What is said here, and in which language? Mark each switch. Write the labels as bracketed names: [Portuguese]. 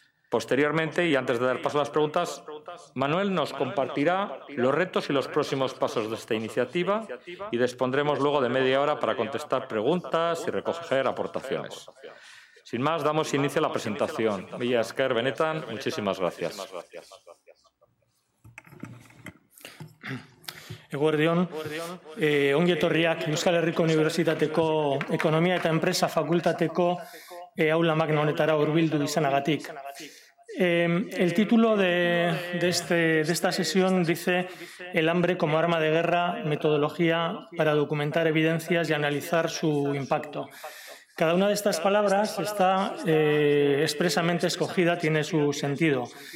[Spanish] Posteriormente, y antes de dar paso a las preguntas, Manuel nos compartirá los retos y los próximos pasos de esta iniciativa y dispondremos luego de media hora para contestar preguntas y recoger aportaciones. Sin más, damos inicio a la presentación. [Basque] Mila esker benetan, [Spanish] muchísimas gracias. [Basque] Eguerdion, ongi etorriak Euskal Herriko Unibertsitateko Ekonomia eta Enpresa Fakultateko aula magna honetara hurbildu izanagatik. [Spanish] El título de esta sesión dice «El hambre como arma de guerra, metodología para documentar evidencias y analizar su impacto». Cada una de estas palabras está expresamente escogida, tiene su sentido.